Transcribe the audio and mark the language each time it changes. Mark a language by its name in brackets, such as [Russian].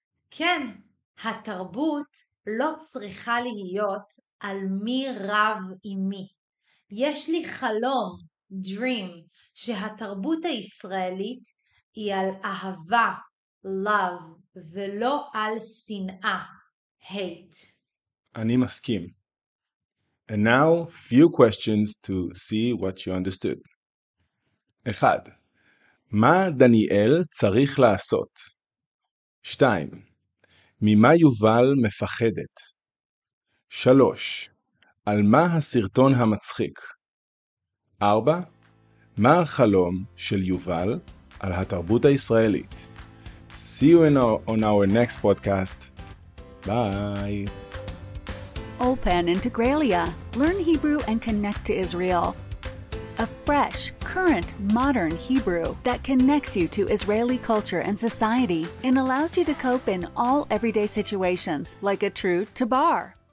[Hebrew] כן, התרבות לא צריכה להיות על מי רב עם מי. יש לי חלום, dream, שהתרבות הישראלית היא על אהבה, love, ולא על שנאה, hate. אני מסכים. [English] And now, few questions to see what you understood. [Hebrew] אחד, מה דניאל צריך לעשות? שתיים, ממה יובל מפחדת? שלוש, על מה הסרטון המצחיק? ארבע, מה החלום של יובל על התרבות הישראלית? [English] See you on our next podcast. Bye. Ulpan Integraliah. Learn Hebrew and connect to Israel. a fresh, current, modern Hebrew that connects you to Israeli culture and society and allows you to cope in all everyday situations like a true tabar.